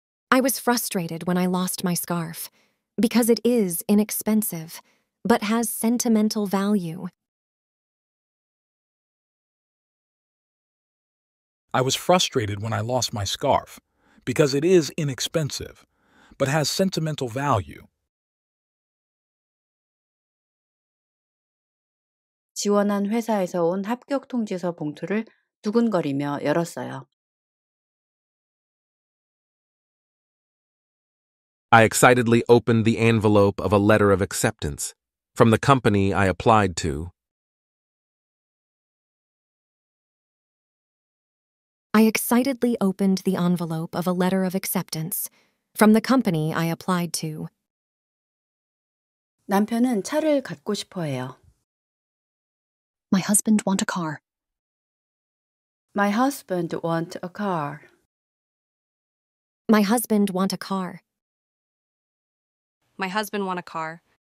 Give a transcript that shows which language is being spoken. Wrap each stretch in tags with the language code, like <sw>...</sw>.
<en>I was frustrated when I lost my scarf because it is inexpensive but has sentimental value. I was frustrated when I lost my scarf because it is inexpensive but has sentimental value.</en> <ko>지원한 회사에서 온 합격 통지서 봉투를 두근거리며 열었어요.</ko> <en>I excitedly opened the envelope of a letter of acceptance from the company I applied to. I excitedly opened the envelope of a letter of acceptance from the company I applied to.</en> <ko>남편은 차를 갖고 싶어해요.</ko> <en>My husband want a car. My husband want a car. My husband want a car. My husband want a car.</en>